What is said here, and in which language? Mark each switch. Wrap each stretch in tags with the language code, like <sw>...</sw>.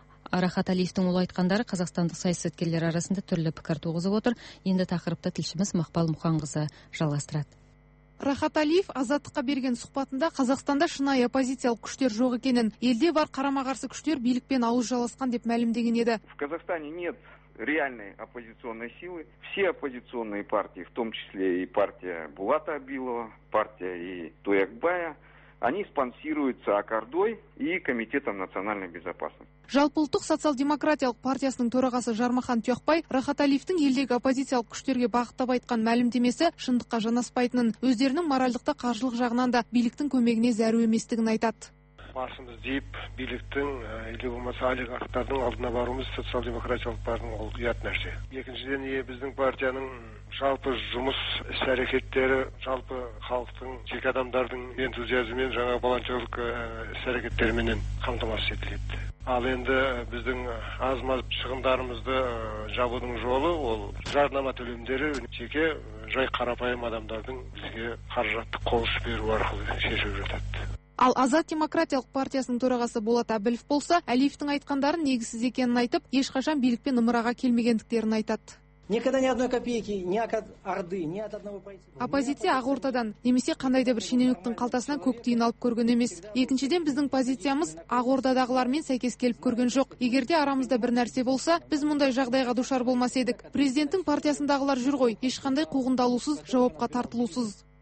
<kk>Рахат Алиевтің ол айтқандары қазақстандық саясаткерлер арасында түрлі пікір туғызып отыр. Енді тақырыпты тілшіміз Мақпал Мұханқызы жалғастырады. Рахат Алиев Азаттыққа берген сұхбатында Қазақстанда шынайы оппозициялық күштер жоқ екенін, елде бар қарама-қарсы күштер билікпен ауыз жаласқан деп мәлімдеген еді.</kk> <ru>В Казахстане нет реальной оппозиционной силы. Все оппозиционные партии, в том числе и партия Булата Абилова, партия и Туякбая, они спонсируются Акордой и Комитетом национальной безопасности.</ru> <kk>Жалпылтық социал-демократиялық партиясының төрағасы Жармахан Тюхбай Рахат Алиевтің елдегі оппозициялық күштерге бағыттап айтқан мәлімдемесі шындыққа жанаспайтынын, өздерінің моральдықта қаржылық жағынан да биліктің көмегіне зәру еместігін айтады. Басымыз дейіп, биліктің, или болмаса олигархтардың алдына баруымыз социал-демократиялық партияның ол ұят нәрсе. Екіншіден, біздің партияның жалпы жұмыс іс-әрекеттері, жалпы халықтың, жеке адамдардың энтузиазмымен, жаңа волонтерлық іс-әрекеттерімен қамтамасыз етіледі. Ал енді біздің аз-маз шығындарымызды жабудың жолы ол жарнама төлемдері, жеке жай қарапайым адамдардың бізге қаражаттық қолыс беру арқылы шешіліп жатады. Ал Азат демократиялық партиясының төрағасы Болат Әбілов болса, Алиевтің айтқандарын негізсіз екенін айтып, ешқашан билікпен ымыраға келмегендіктерін айтады.</kk> <ru>Никогда ни одной копейки, ни от Орды, ни от одного правительства.</ru> <kk>Оппозиция ақ ортадан, немесе қандай да бір шенеуніктің қалтасынан көк тиын алып көрген емес. Екіншіден біздің позициямыз ақ ордадағылармен сәйкес келіп көрген жоқ. Егер де арамызда бір нәрсе болса, біз мұндай жағдайға душар болмас едік. Президенттің партиясындағылар жүр ғой, ешқандай қуғындалусыз, жауапқа тартылусыз.</kk>